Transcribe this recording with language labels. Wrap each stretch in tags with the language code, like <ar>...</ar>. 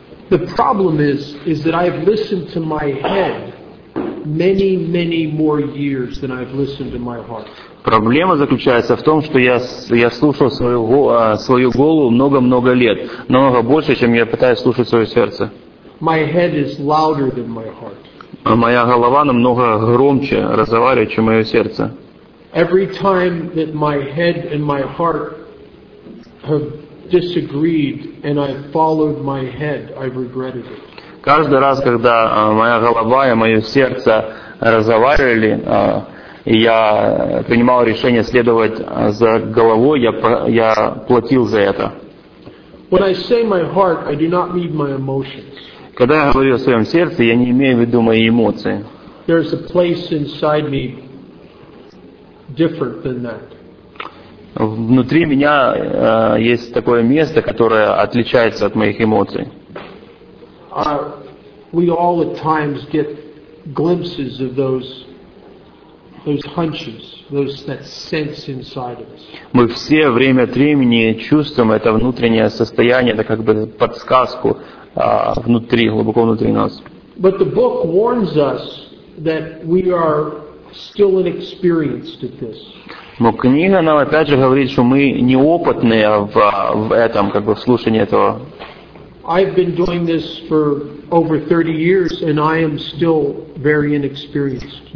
<en>The problem is that I've listened to my head many, many more years than I've listened to my heart.</en> <ru>Проблема заключается в том, что я слушал свою голову много-много лет, намного больше, чем я пытаюсь слушать свое сердце.</ru> <en>My head is louder than my heart.</en> <ru>А моя голова намного громче разговаривает, чем мое сердце.</ru> <en>Every time that my head and my heart have disagreed and I followed my head, I regretted it.</en> <ru>Каждый раз, когда моя голова и мое сердце разговаривали, и я принимал решение следовать за головой, я платил за это.</ru> <en>When I say my heart, I do not mean my emotions.</en> <ru>Когда я говорю о своем сердце, я не имею в виду мои эмоции.</ru> <en>There is a place inside me different than that.</en> <ru>Внутри меня есть такое место, которое отличается от моих эмоций.</ru> <en>We all at times get glimpses of those hunches, that sense inside of us.</en> <ru>Мы все время от времени чувствуем это внутреннее состояние, это как бы подсказку внутри, глубоко внутри нас.</ru> <en>But the book warns us that we are still inexperienced at this.</en> <ru>Но книга нам опять же говорит, что мы неопытные в этом, как бы в слушании этого.</ru> <en>I've been doing this for over 30 years, and I am still very inexperienced.</en>